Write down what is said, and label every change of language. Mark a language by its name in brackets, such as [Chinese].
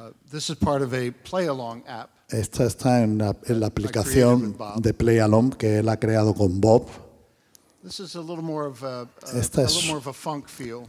[English] This is part of a play-along app. [Spanish] Esta está en la aplicación de Play Along que él ha creado con Bob. [English] This is a little more of a funk feel.